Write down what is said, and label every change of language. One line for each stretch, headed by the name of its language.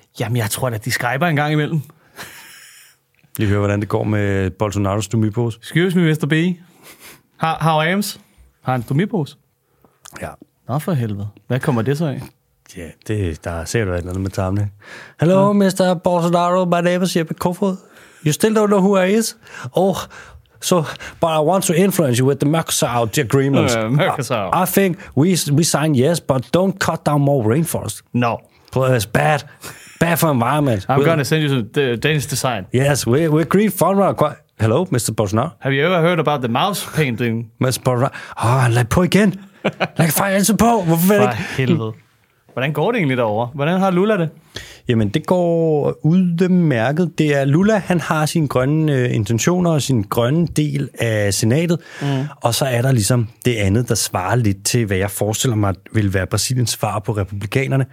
Danish: Jamen, jeg tror, at de skriber en gang imellem. Lige høre, hvordan det går med Bolsonaro's stomipose.
English: Excuse me, Mr. B. How Ames?
Danish: Har han en stomipose? Ja. Nå for helvede. Hvad kommer det så af? Ja, det, der ser du et eller andet med tarmene.
English: Hello, Mr. Bolsonaro. My name is Jeppe Kofod. You still don't know who I is? Oh, so, but I want to influence you with the Mercosur agreements. Mercosur. I think we sign yes, but don't cut down more rainforest. No. It's bad. Bad for environment. I'm going to send you some Danish design. Yes, we're green frontrunner. Hello, Mr. Bolsonaro. Have you ever heard about the mouse painting?
Danish: Mr. Bolsonaro. Ah, lad på igen. Lad fejl altså på. Hvorfor for helvede. Hvordan går det egentlig derover? Hvordan har Lula det? Jamen, det går udmærket. Det er Lula, han har sine grønne intentioner og sin grønne del af senatet. Mm. Og så er der ligesom det andet, der svarer lidt til, hvad jeg forestiller mig vil være Brasiliens svar på republikanerne.